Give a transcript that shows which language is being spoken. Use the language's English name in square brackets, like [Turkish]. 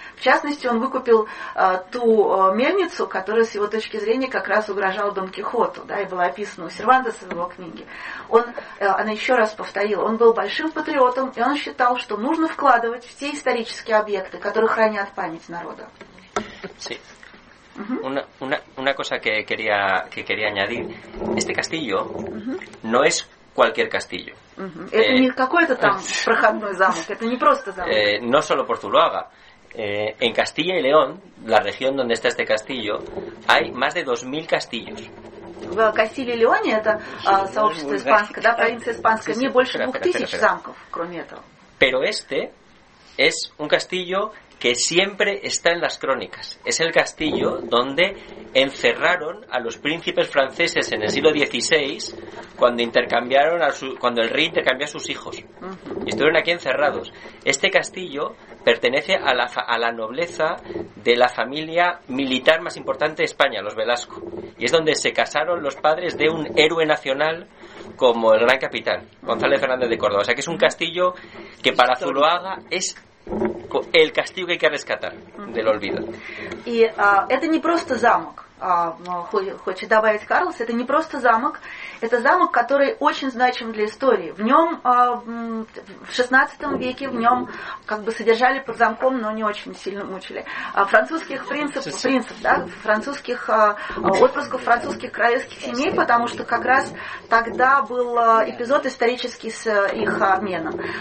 [Russian] В частности, он выкупил ту мельницу, которая с его точки зрения как раз угрожала Дон Кихоту, да, и была описана у Сервантеса в его книге. Она еще раз повторила, он был большим патриотом, и он считал, что нужно вкладывать в те исторические объекты, которые хранят память народа. [Spanish] Sí. Una cosa que quería añadir. Este castillo no es cualquier castillo. [Russian] Это не какой-то там проходной замок, это не просто замок. [Spanish] No solo por Zuloaga. En Castilla y León, la región donde está este castillo, hay más de 2000 castillos. [Russian] В Кастилии и Леоне, это сообщество испанское, да, провинция испанская, не больше 2000 замков, кроме этого. [Spanish] Pero este es un castillo que siempre está en las crónicas. Es el castillo donde encerraron a los príncipes franceses en el siglo XVI cuando el rey intercambió a sus hijos. Y estuvieron aquí encerrados. Este castillo pertenece a la nobleza de la familia militar más importante de España, los Velasco. Y es donde se casaron los padres de un héroe nacional como el gran capitán, González Fernández de Córdoba. O sea que es un castillo que para Zuloaga es el castillo que hay que rescatar del olvido. Y [Russian] это не просто замок, хочет добавить Карлос, это не просто замок, это замок, который очень значим для истории. В нем в 16 веке в нем как бы содержали под замком, но не очень сильно мучили. Французских принцев, да, французских отпрысков французских королевских семей, потому что как раз тогда был эпизод исторический с их обменом.